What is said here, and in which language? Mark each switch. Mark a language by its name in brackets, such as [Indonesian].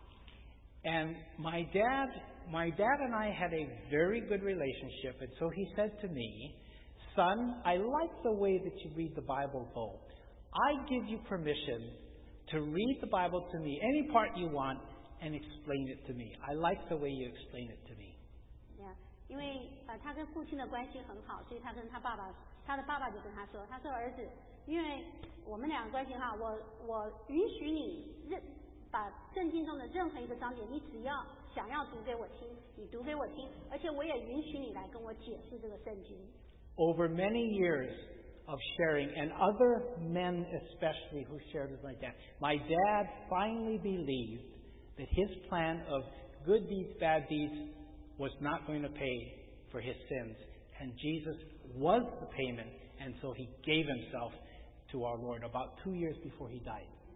[English] my dad and I had a very good relationship, and so he said to me, "Son, I like the way that you read the Bible, though. I give you permission to read the Bible to me, any part you want, and explain it to me. I like the way you explain it to me." [Chinese] Yeah, 因为他跟父亲的关系很好，所以他跟他爸爸就跟他说，他说儿子，因为我们两个关系很好，我允许你把圣经中的任何一个章节，你只要想要读给我听，你读给我听，而且我也允许你来跟我解释这个圣经。 [English] Over many years of sharing, and other men especially who shared with my dad finally believed that his plan of good deeds, bad deeds was not going to pay for his sins. And Jesus was the payment, and so he gave himself to our Lord about 2 years before he died.